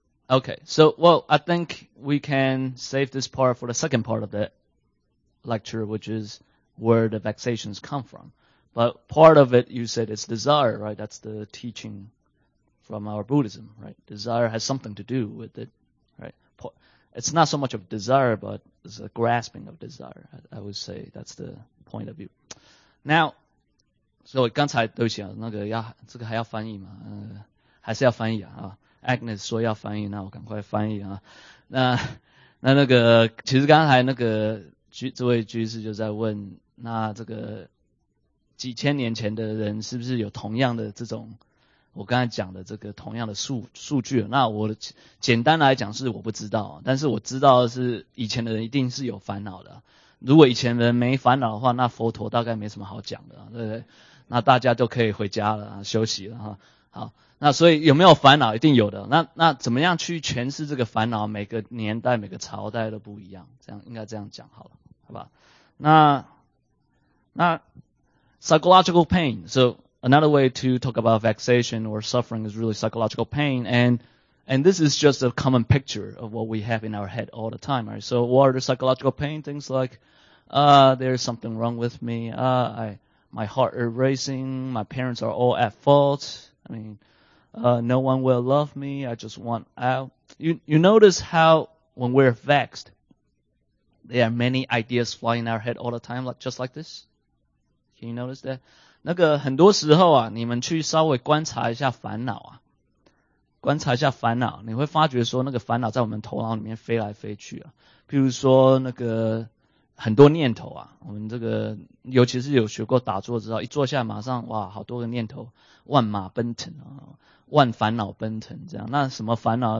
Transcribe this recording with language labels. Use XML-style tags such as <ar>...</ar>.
<en>Okay, so, well, I think we can save this part for the second part of the lecture, which is where the vexations come from. But part of it, you said, is desire, right? That's the teaching from our Buddhism, right? Desire has something to do with it, right? It's not so much of desire, but it's a grasping of desire. I would say that's the point of view. Now,</en> <zh>所以刚才对不起啊，那个要这个还要翻译嘛，还是要翻译啊，Agnes说要翻译，那我赶快翻译啊。那个其实刚才那个这位居士就在问，那这个几千年前的人是不是有同样的这种我刚才讲的这个同样的数据？那我简单来讲是我不知道，但是我知道的是以前的人一定是有烦恼的。如果以前人没烦恼的话，那佛陀大概没什么好讲的，对不对？那大家就可以回家了，休息了哈。好，那所以有没有烦恼？一定有的。那怎么样去诠释这个烦恼？每个年代、每个朝代都不一样，这样应该这样讲好了，好吧？那</zh> <en>psychological pain. So another way to talk about vexation or suffering is really psychological pain. And this is just a common picture of what we have in our head all the time, right? So what are the psychological pain? Things like, there's something wrong with me. My heart is racing. My parents are all at fault. I mean, no one will love me. I just want out. You notice how when we're vexed, there are many ideas flying in our head all the time, like, just like this. Can you notice that?</en> <zh>那个很多时候啊，你们去稍微观察一下烦恼啊。观察一下烦恼，你会发觉说那个烦恼在我们头脑里面飞来飞去啊。譬如说那个很多念头啊，我们这个尤其是有学过打坐之后，一坐下来马上哇，好多个念头，万马奔腾啊，万烦恼奔腾这样。那什么烦恼？</zh>